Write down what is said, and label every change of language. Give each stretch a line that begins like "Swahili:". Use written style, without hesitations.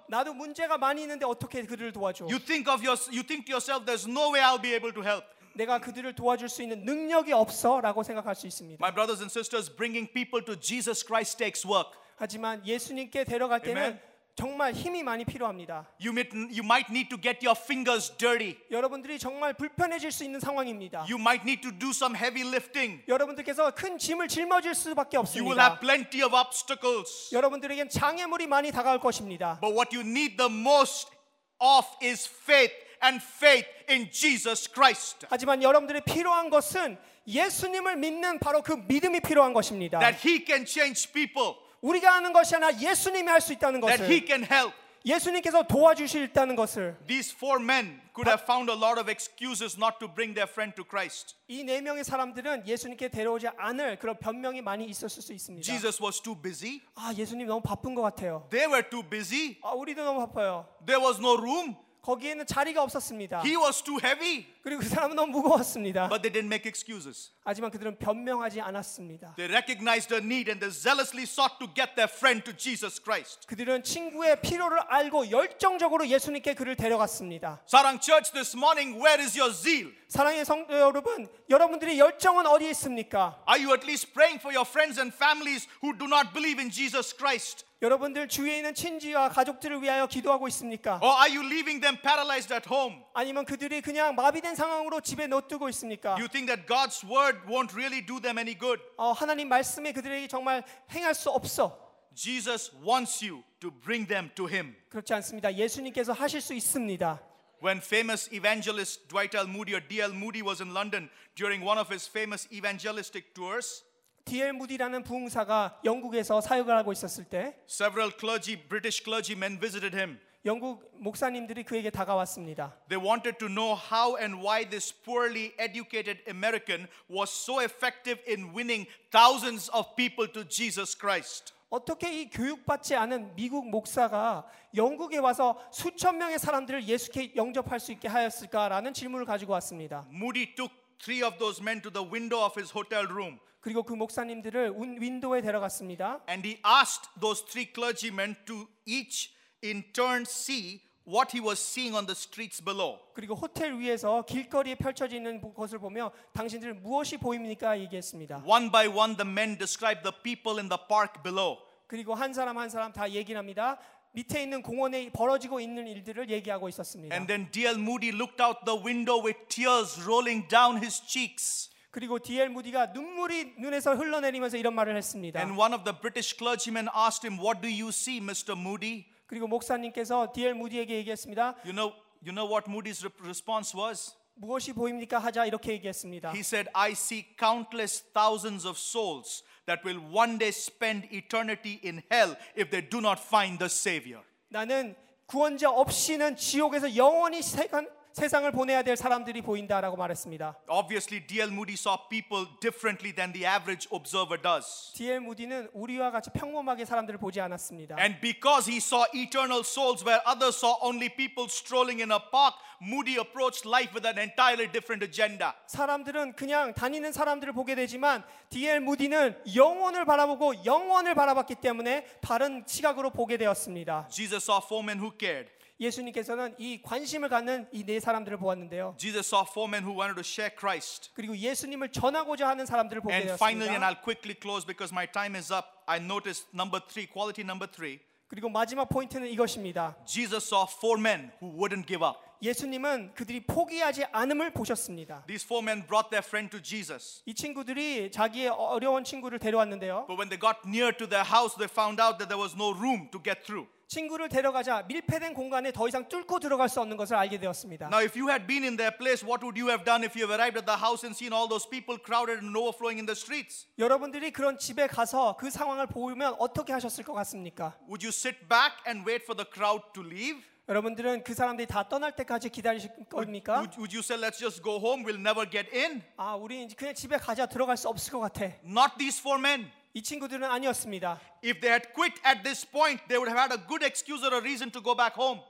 Korean: 나도 문제가 많이 있는데 어떻게 그들을 도와줘?
English: You think to yourself there's no way I'll be able to help.
Korean: 내가 그들을 도와줄 수 있는 능력이 없어라고 생각할 수 있습니다.
English: My brothers and sisters, bringing people to Jesus Christ takes work.
Korean: 하지만 예수님께 데려갈 Amen. 때는 정말 힘이 많이 필요합니다.
English: You might need to get your fingers dirty.
Korean: 여러분들이 정말 불편해질 수 있는 상황입니다.
English: You might need to do some heavy lifting.
Korean: 여러분들께서 큰 짐을 짊어질 수밖에 없습니다.
English: You will have plenty of obstacles.
Korean: 여러분들에게는 장애물이 많이 다가올 것입니다.
English: But what you need the most of is faith and faith in Jesus Christ.
Korean: 하지만 여러분들이 필요한 것은 예수님을 믿는 바로 그 믿음이 필요한 것입니다.
English: That he can change people.
Korean: 우리가 하는 것이 아니라 예수님이 할 수 있다는 것을
English: that he can help.
Korean: 예수님께서 도와주실 있다는 것을
English: These four men could have found a lot of excuses not to bring their friend to Christ.
Korean: 이 네 명의 사람들은 예수님께 데려오지 않을 그런 변명이 많이 있었을 수 있습니다.
English: Jesus was too busy.
Korean: 아, 예수님 너무 바쁜 것 같아요.
English: They were too busy.
Korean: 아, 우리도 너무 바빠요.
English: There was no room.
Korean: 거기에는 자리가 없었습니다.
English: He was too heavy.
Korean: 그리고 그 사람은 너무 무거웠습니다.
English: But they didn't make excuses.
Korean: 하지만 그들은 변명하지 않았습니다.
English: They recognized a need and they zealously sought to get their friend to Jesus Christ.
Korean: 그들은 친구의 필요를 알고 열정적으로 예수님께 그를 데려갔습니다.
English: 사랑 church this morning, where is your zeal?
Korean: 사랑의 성도 여러분, 여러분들의 열정은 어디에 있습니까?
English: Are you at least praying for your friends and families who do not believe in Jesus Christ?
Korean: 여러분들 주위에 있는 친지와 가족들을 위하여 기도하고 있습니까?
English: Or are you leaving them paralyzed at home?
Korean: 아니면 그들이 그냥 마비된 상황으로 집에 놓두고 있습니까?
English: You think that God's word won't really do them any good?
Korean: 하나님 말씀이 그들에게 정말 행할 수 없어.
English: Jesus wants you to bring them to him.
Korean: 그렇지 않습니다. 예수님께서 하실 수 있습니다.
English: When famous evangelist Dwight L. Moody or D.L. Moody was in London during one of his famous evangelistic tours,
Korean: D.L. Moody라는 부흥사가 영국에서 사역을 하고 있었을 때
English: several clergy, British clergymen visited him.
Korean: 영국 목사님들이 그에게 다가왔습니다.
English: They wanted to know how and why this poorly educated American was so effective in winning thousands of people to Jesus Christ.
Korean: 어떻게 이 교육받지 않은 미국 목사가 영국에 와서 수천 명의 사람들을 예수께 영접할 수 있게 하였을까라는 질문을 가지고 왔습니다.
English: Moody took three of those men to the window of his hotel room.
Korean: 그리고 그 목사님들을 윈도우에 데려갔습니다.
English: And he asked those three clergymen to each in turn see what he was seeing on the streets below.
Korean: 그리고 호텔 위에서 길거리에 펼쳐지는 것을 보며 당신들 무엇이 보입니까? 얘기했습니다.
English: One by one the men described the people in the park below.
Korean: 그리고 한 사람 한 사람 다 얘기합니다. 밑에 있는 공원에 벌어지고 있는 일들을 얘기하고 있었습니다.
English: And then D.L. Moody looked out the window with tears rolling down his cheeks.
Korean: 그리고 D.L. 무디가 눈물이 눈에서 흘러내리면서 이런 말을 했습니다.
English: And one of the British clergymen asked him, "What do you see, Mr. Moody?"
Korean: 그리고 목사님께서 D.L. 무디에게 얘기했습니다.
English: You know, you know what Moody's response was?
Korean: 무엇이 보입니까? 하자 이렇게 얘기했습니다.
English: He said, I see countless thousands of souls that will one day spend eternity in hell if they do not find the Savior.
Korean: 나는 구원자 없이는 지옥에서 영원히 세상을 보내야 될 사람들이 보인다라고 말했습니다.
English: Obviously, D.L. Moody saw people differently than the average observer does. D.L.
Korean: Moody는 우리와 같이 평범하게 사람들을 보지 않았습니다.
English: And because he saw eternal souls where others saw only people strolling in a park, Moody approached life with an entirely different agenda.
Korean: 사람들은 그냥 다니는 사람들을 보게 되지만 D.L. Moody는 영혼을 바라보고 영혼을 바라봤기 때문에 다른 시각으로 보게 되었습니다.
English: Jesus saw four men who cared.
Korean: 예수님께서는 이 관심을 갖는 이 네 사람들을 보았는데요.
English: Jesus saw four men who wanted to share Christ.
Korean: 그리고 예수님을 전하고자 하는 사람들을 보게 되었습니다.
English: And finally, and I'll quickly close because my time is up. I noticed number three, quality number three.
Korean: 그리고 마지막 포인트는 이것입니다.
English: Jesus saw four men who wouldn't give up.
Korean: 예수님은 그들이 포기하지 않음을 보셨습니다.
English: These four men brought their friend to Jesus.
Korean: 이 친구들이 자기의 어려운 친구를 데려왔는데요.
English: But when they got near to their house, they found out that there was no room to get through.
Korean: 친구를 데려가자 밀폐된 공간에 더 이상 뚫고 들어갈 수 없는 것을 알게 되었습니다.
English: Now if you had been in their place, what would you have done if you had arrived at the house and seen all those people crowded and overflowing in the streets?
Korean: 여러분들이 그런 집에 가서 그 상황을 보면 어떻게 하셨을 것 같습니까?
English: Would you sit back and wait for the crowd to leave?
Korean: 여러분들은 그 사람들이 다 떠날 때까지 기다리실 겁니까?
English: Would you say, let's just go home, we'll never get in?
Korean: 아, 우리 이제 그냥 집에 가자 들어갈 수 없을 것 같아.
English: Not these four men.
Korean: 이 친구들은 아니었습니다.
English: If they had quit at this point, they would have had a good excuse or a reason to go back home.